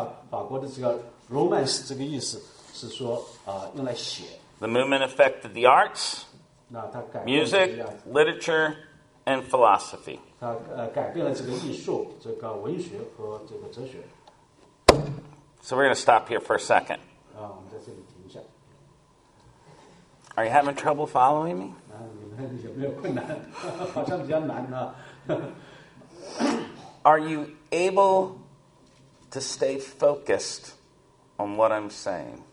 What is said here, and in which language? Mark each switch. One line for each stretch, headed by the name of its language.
Chinese: 法国的这个 romance 这个意思是说用来写。
English: The movement affected the arts,
Chinese: 那它改变
English: music, literature, and philosophy.
Chinese: 它改变了这个艺术、这个文学和这个哲学。
English: So we're going to stop here for a second.
Chinese: 我们在这里停一下。
English: Are you having trouble following me?
Chinese: 有没有困难？好像比较难呢。
English: Are you able to stay focused on what I'm saying?